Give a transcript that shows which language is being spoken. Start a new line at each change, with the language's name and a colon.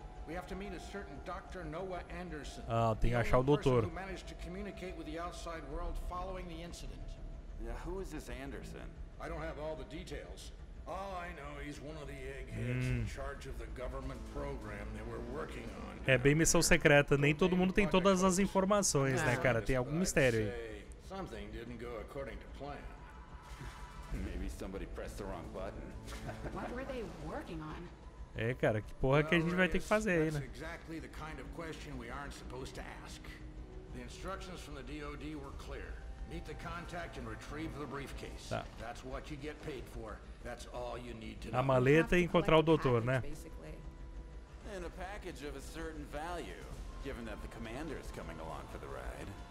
English: We have to meet a certain Dr. Noah Anderson.
Portuguese: Ah, tem que achar o doutor.
English: Who managed to communicate with the outside world following the incident. Yeah, who is this Anderson? I don't have all the details. All I know, he's one of the eggheads in charge of the government program they were working on.
Portuguese: É bem missão secreta, nem todo mundo tem todas as informações, né, cara? Tem algum mistério aí.
English: Something didn't go according to plan. Maybe somebody pressed the wrong button. What were they working on?
Portuguese: É, cara, que porra que a gente vai ter que fazer aí, né?
English: That's exactly the kind of question we aren't supposed to ask. The instructions from the DOD were clear. Meet the contact and retrieve the briefcase.
Portuguese: Tá.
English: That's what you get paid for. That's all you need to
Portuguese: know. A maleta e encontrar o doutor, né?
English: In a package of a certain value, given that the commander is coming along for the ride.